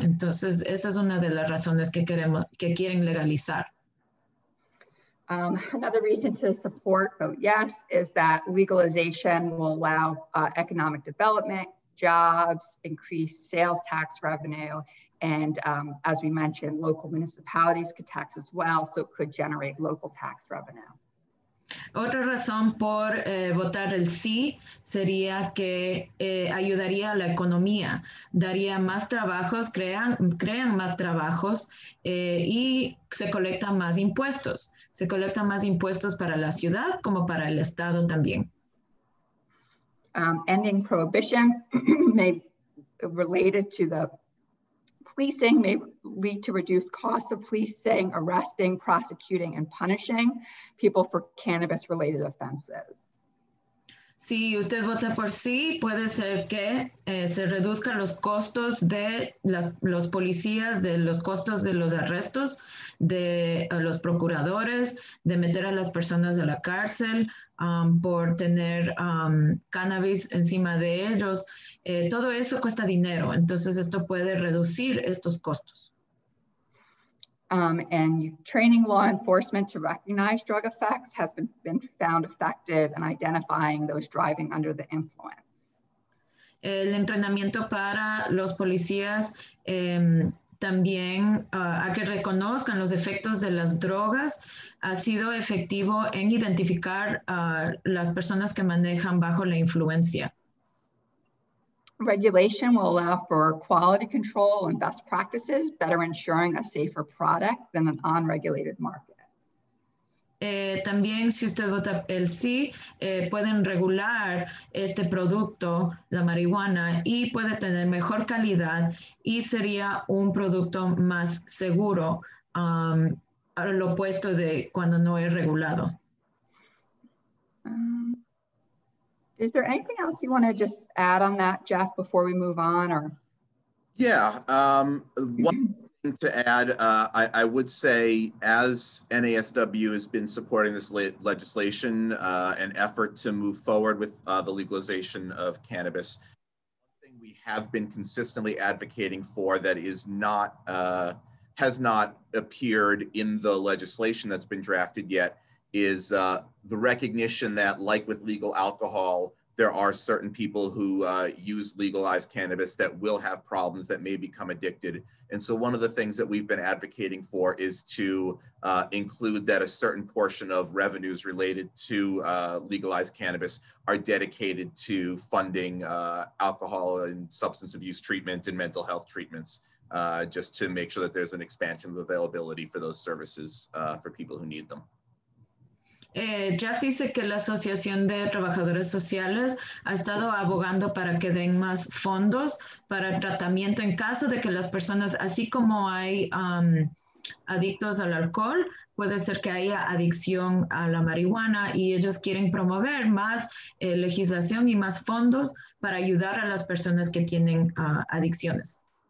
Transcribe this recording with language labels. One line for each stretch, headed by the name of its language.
Spanish: Entonces, esa es una de las razones que quieren legalizar.
English: Another reason to support vote yes is that legalization will allow economic development, jobs, increased sales tax revenue, and as we mentioned, local municipalities could tax as well, so it could generate local tax revenue.
Spanish: Otra razón por votar el sí sería que ayudaría a la economía, daría más trabajos, crean más trabajos y se colectan más impuestos. Se colectan más impuestos para la ciudad como para el estado también.
English: Ending prohibition may related to the policing may lead to reduced costs of policing, arresting, prosecuting, and punishing people for cannabis-related offenses.
Spanish: Si usted vota por sí, puede ser que se reduzcan los costos de los policías, de los costos de los arrestos, de los procuradores, de meter a las personas a la cárcel por tener cannabis encima de ellos. Todo eso cuesta dinero, entonces esto puede reducir estos costos.
English: And training law enforcement to recognize drug effects has been found effective in identifying those driving under the influence.
Spanish: El entrenamiento para los policías también a que reconozcan los efectos de las drogas ha sido efectivo en identificar las personas que manejan bajo la influencia.
English: Regulation will allow for quality control and best practices, better ensuring a safer product than an unregulated market.
Spanish: También, si usted vota el sí, pueden regular este producto, la marihuana, y puede tener mejor calidad y sería un producto más seguro, al opuesto de cuando no es regulado.
English: Is there anything else you want to just add on that, Jeff, before we move on? Or yeah, one thing to add, I would say as NASW has been supporting this legislation, an effort to move forward with the legalization of cannabis, one thing we have been consistently advocating for that is not has not appeared in the legislation that's been drafted yet is the recognition that, like with legal alcohol, there are certain people who use legalized cannabis that will have problems that may become addicted. And so one of the things that we've been advocating for is to include that a certain portion of revenues related to legalized cannabis are dedicated to funding alcohol and substance abuse treatment and mental health treatments, just to make sure that there's an expansion of availability for those services for people who need them.
Spanish: Jeff dice que la Asociación de Trabajadores Sociales ha estado abogando para que den más fondos para tratamiento en caso de que las personas, así como hay adictos al alcohol, puede ser que haya adicción a la marihuana y ellos quieren promover más legislación y más fondos para ayudar a las personas que tienen adicciones.